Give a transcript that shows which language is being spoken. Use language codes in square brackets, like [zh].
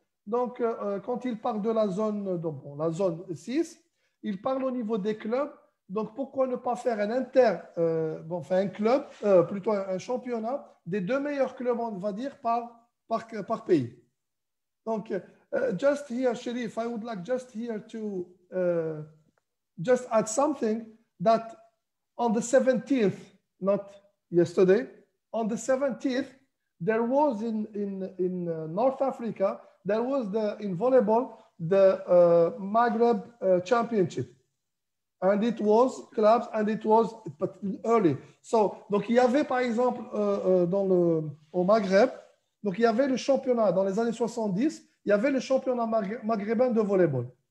[fr] Donc, quand il parle de la zone, donc, bon, la zone 6, il parle au niveau des clubs. Donc, pourquoi ne pas faire un championnat des deux meilleurs clubs, on va dire, par pays. [en] Donc, just here, Chérif, I would like just here to just add something that on the 17th, not yesterday, on the 17th, there was in North Africa, there was in volleyball, the Maghreb Championship. And it was clubs, and it was early. [fr] So, donc il y avait par exemple au Maghreb, donc il y avait le championnat dans les années 70, il y avait le championnat maghrébin de volleyball.